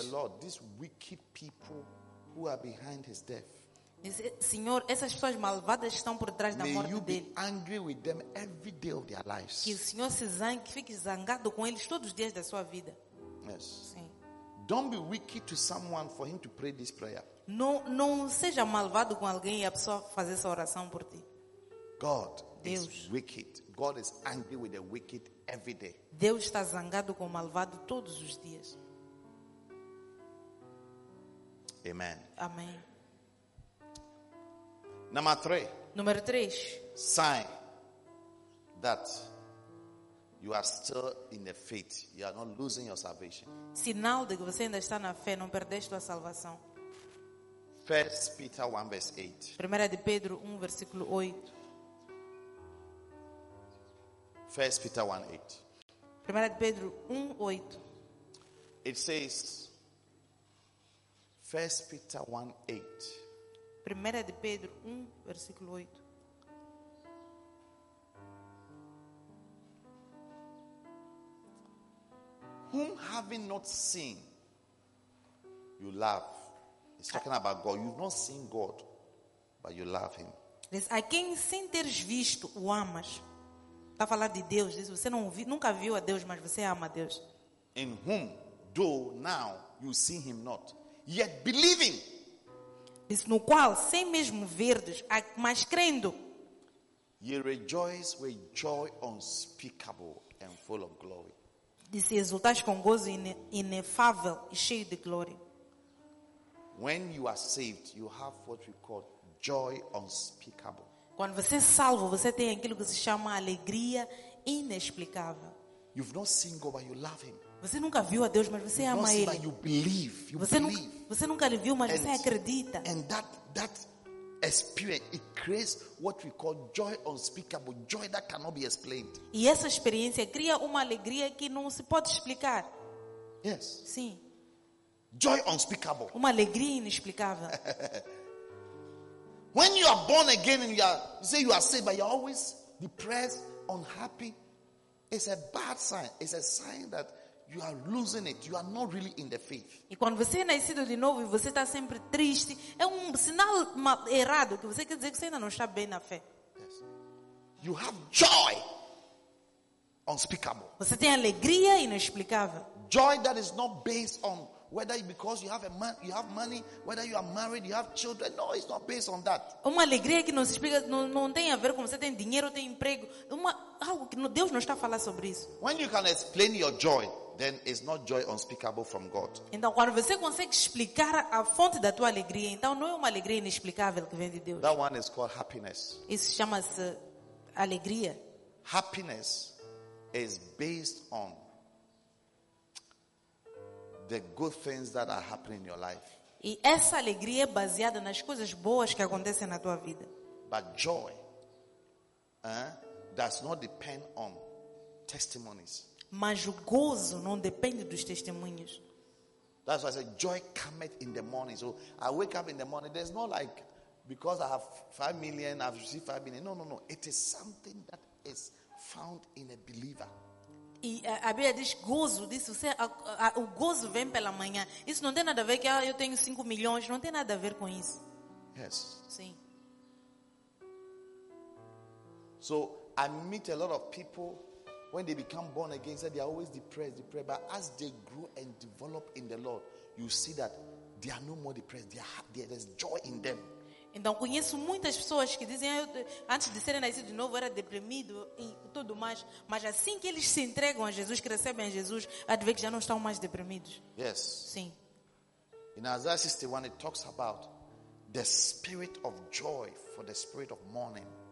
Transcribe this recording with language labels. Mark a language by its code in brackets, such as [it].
[en] Say, Lord, these wicked people who are behind his death. [pt] Senhor, essas pessoas malvadas estão por trás da morte dele. [en] Angry with them every day of their lives. [pt] Que o Senhor se zangue, fique zangado com eles todos os dias da sua vida. [en] Yes. [pt] Sim. [en] Don't be wicked to someone for him to pray this prayer. [pt] Não seja malvado com alguém e a pessoa fazer essa oração por ti. [en] God, Deus, is wicked. God is angry with the wicked every day. [pt] Deus está zangado com o malvado todos os dias. [en] Amen. [pt] Amém. Número 3. [en] Sign that you are still in the faith. You are not losing your salvation. [pt] Sinal de que você ainda está na fé, não perdeste tua salvação. [en] 1 Peter 1 verse 8. [pt] Primeira de Pedro 1 versículo 8. [en] 1 Peter 1 8. [pt] Primeira de Pedro 1 8. [en] It says 1 Peter 1 8. [pt] Primeira de Pedro 1, versículo 8. [en] Whom having not seen, you love. It's talking about God. You've not seen God, but you love him. [pt] A quem sem teres visto, o amas. Está a falar de Deus. Diz, você não vi, nunca viu a Deus, mas você ama a Deus. [en] In whom, though now, you see him not, yet believing. [pt] Diz, no qual, sem mesmo verdes, mas crendo, [en] ye rejoice with joy unspeakable and full of glory. [pt] Diz, exultais com gozo inefável e cheio de glória. [en] When you are saved, you have what we call joy unspeakable. [pt] Quando você é salvo, você tem aquilo que se chama alegria inexplicável. [en] You've not seen God, but you love him. [pt] Você nunca viu a Deus, mas você [en] you [pt] ama ele. [en] You believe, you [pt] você, nunca, você nunca lhe viu, mas você acredita. [en] And that experience, it creates what we call joy unspeakable, joy that cannot be explained. [pt] E essa experiência cria uma alegria que não se pode explicar. [en] Yes. [pt] Sim. [en] Joy unspeakable. [pt] Uma alegria inexplicável. [en] When you are born again and you say you are saved, but you're always depressed, unhappy, it's a bad sign. It's a sign that you are losing it. You are not really in the faith. [pt] E quando você é nascido de novo e você está sempre triste, é sinal errado que você quer dizer que você ainda não está bem na fé. [en] Yes. You have joy unspeakable. [pt] Você tem alegria inexplicável. [en] Joy that is not based on whether because you have a man, you have money, whether you are married, you have children. No, it's not based on that. [pt] Uma alegria que não se explica, não tem a ver com você tem dinheiro, tem emprego. Algo que Deus não está a falar sobre isso. [en] When you can explain your joy, then it's not joy unspeakable from God. [pt] Então, quando você consegue explicar a fonte da tua alegria, então não é uma alegria inexplicável que vem de Deus. [en] That one is called happiness. [pt] Isso chama-se alegria. [en] Happiness is based on the good things that are happening in your life. [pt] E essa alegria é baseada nas coisas boas que acontecem na tua vida. [en] But joy does not depend on testimonies. [pt] Mas o gozo não depende dos testemunhos. [en] That's why I said joy cometh in the morning. So I wake up in the morning. There's not like because I have 5 million, I've received 5 million. No, no, no. It is something that is found in a believer. [pt] E a Bíblia diz gozo, diz, você, o gozo vem pela manhã. Isso não tem nada a ver que eu tenho 5 milhões, não tem nada a ver com isso. [en] Yes. [pt] Sim. [en] So I meet a lot of people when they become born again, said they are always depressed, depressed, but as they grow and develop in the Lord, you see that they are no more depressed. There's joy in them. [pt] Então conheço muitas pessoas que dizem antes de serem nascidos de novo era deprimido e tudo mais, mas assim que eles se entregam a Jesus, que recebem a Jesus, há de ver que já não estão mais deprimidos. [en] Yes. [pt] Sim. [en] In Isaiah 61 it talks about the spirit of joy for the spirit of mourning.